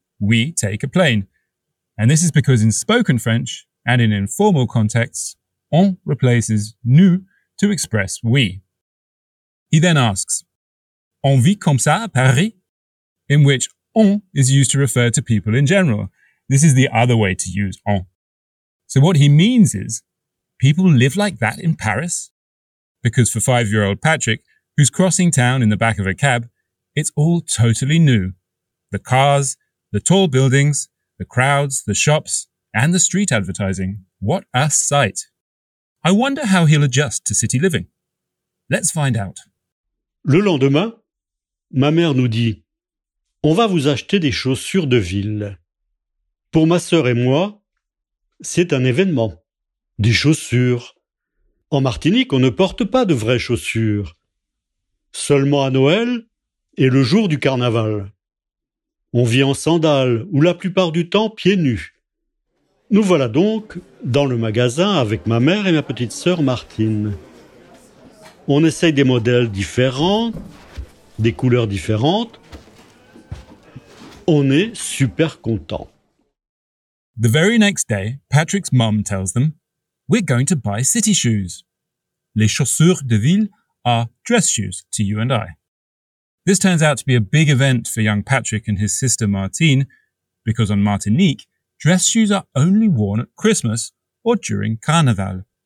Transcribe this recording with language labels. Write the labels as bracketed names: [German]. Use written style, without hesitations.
[English] We take a plane. And this is because in spoken French and in informal contexts, on replaces nous to express we. He then asks, [French] on vit comme ça à Paris? [English] In which on is used to refer to people in general. This is the other way to use on. So what he means is, people live like that in Paris? Because for five-year-old Patrick, who's crossing town in the back of a cab, it's all totally new. The cars, the tall buildings, the crowds, the shops, and the street advertising. What a sight. I wonder how he'll adjust to city living. Let's find out. [French] Le lendemain, ma mère nous dit, on va vous acheter des chaussures de ville. Pour ma sœur et moi, c'est un événement. Des chaussures. En Martinique, on ne porte pas de vraies chaussures. Seulement à Noël et le jour du carnaval. On vit en sandales ou la plupart du temps pieds nus. Nous voilà donc dans le magasin avec ma mère et ma petite sœur Martine. On essaye des modèles différents, des couleurs différentes. On est super contents. [English] The very next day, Patrick's mom tells them, we're going to buy city shoes. [French] Les chaussures de ville [English] are dress shoes to you and I. This turns out to be a big event for young Patrick and his sister Martine, because on Martinique, dress shoes are only worn at Christmas or during Carnival.